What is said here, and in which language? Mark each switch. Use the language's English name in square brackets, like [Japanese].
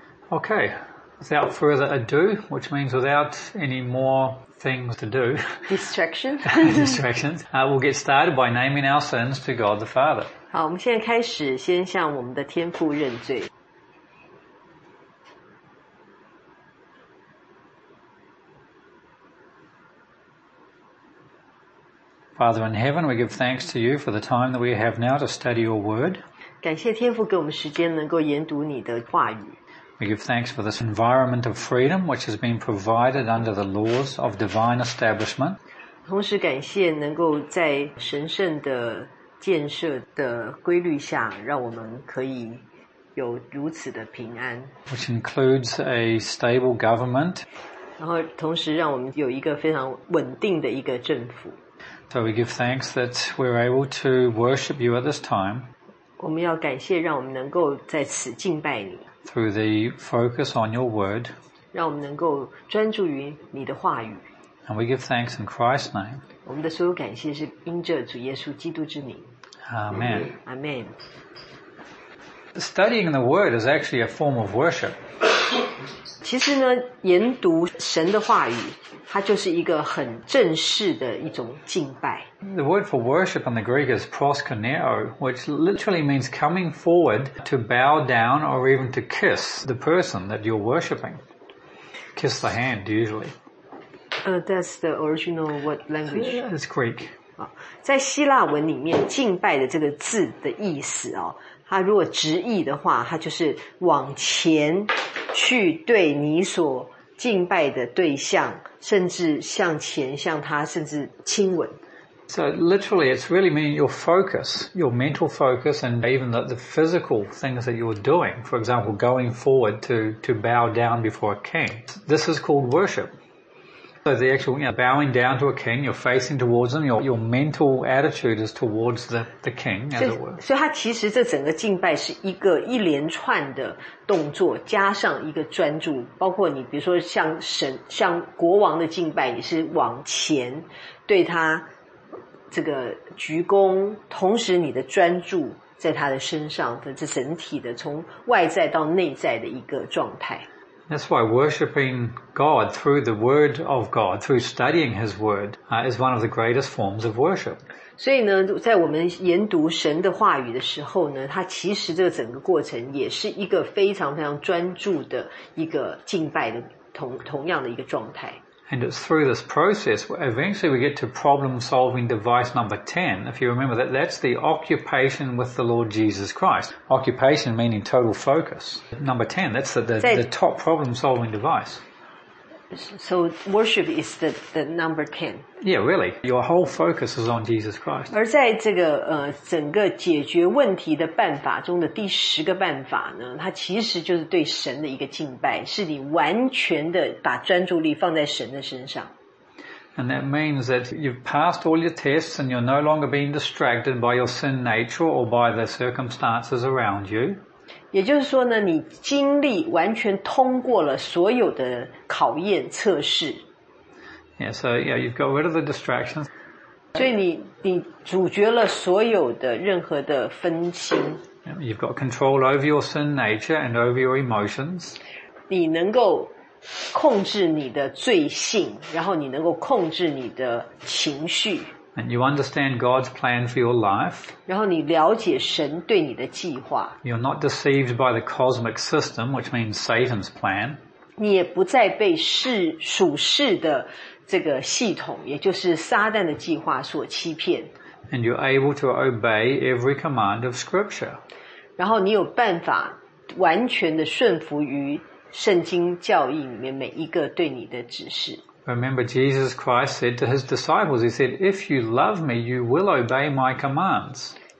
[English] Okay, without further ado, which means without any more things to do. Distractions. We'll get started by naming our sins to God the Father. [Chinese] 好，我们现在开始先向我们的天父认罪。 [English] Father in heaven, we give thanks to you for the time that we have now to study your word. [Chinese] 感谢天父给我们时间能够研读你的话语。 [English] We give thanks for this environment of freedom which has been provided under the laws of divine establishment. [Chinese] 同时感谢能够在神圣的建设的规律下让我们可以有如此的平安。 [English] Which includes a stable government. [Chinese] 然后同时让我们有一个非常稳定的一个政府。 [English] So we give thanks that we're able to worship you at this time. [Chinese] 我们要感谢让我们能够在此敬拜你。 [English] Through the focus on your word. [Chinese] 让我们能够专注于你的话语。 [English] And we give thanks in Christ's name. [Chinese] 我们的所有感谢是因着主耶稣基督之名。 [English] Amen. Amen. Studying the word is actually a form of worship. [Chinese] 其实呢，研读神的话语，它就是一个很正式的一种敬拜。 [English] The word for worship in the Greek is proskuneo, which literally means coming forward to bow down or even to kiss the person that you're worshiping. Kiss the hand, usually. That's the original what language? It's Greek. [Chinese] 在希腊文里面，敬拜的这个字的意思哦，它如果直译的话，它就是往前去对你所敬拜的对象，甚至向前向他，甚至亲吻。 [English] So literally, it's really mean your focus, your mental focus, and even the physical things that you're doing. For example, going forward to bow down before a king. This is called worship. So the actual, you know, bowing down to a king, you're facing towards him, your mental attitude is towards the king, as it were. [Chinese] 所以它其实这整个敬拜是一个一连串的动作，加上一个专注，包括你比如说像神、像国王的敬拜，你是往前对他这个鞠躬，同时你的专注在他的身上的这整体的从外在到内在的一个状态。 [English] That's why worshipping God through the word of God, through studying his word, is one of the greatest forms of worship. [Chinese] 所以呢，在我们研读神的话语的时候呢，它其实这个整个过程也是一个非常非常专注的一个敬拜的同样的一个状态。 [English] And it's through this process, eventually we get to problem solving device number 10. If you remember that, that's the occupation with the Lord Jesus Christ. Occupation meaning total focus. Number 10, that's the top problem solving device. So worship is the number 10. Yeah, really. Your whole focus is on Jesus Christ. [Chinese] 而在这个整个解决问题的办法中的第十个办法呢，它其实就是对神的一个敬拜，是你完全的把专注力放在神的身上。 [English] And that means that you've passed all your tests and you're no longer being distracted by your sin nature or by the circumstances around you. [Chinese] 也就是说呢，你经历完全通过了所有的考验测试。 [English] Yeah, so yeah, you've got rid of the distractions. [Chinese] 所以你阻绝了所有的任何的分心。 [English] You've got control over your sin nature and over your emotions. [Chinese] 你能够控制你的罪性，然后你能够控制你的情绪。 [English] And you understand God's plan for your life. [Chinese] 然后你了解神对你的计划。 [English] You're not deceived by the cosmic system, which means Satan's plan. [Chinese] 你也不再被属世的这个系统，也就是撒旦的计划所欺骗。 [English] And you're able to obey every command of Scripture. [Chinese] 然后你有办法完全的顺服于圣经教义里面每一个对你的指示。 [English] Remember, Jesus Christ said to his disciples, he said, if you love me, you will obey my commands.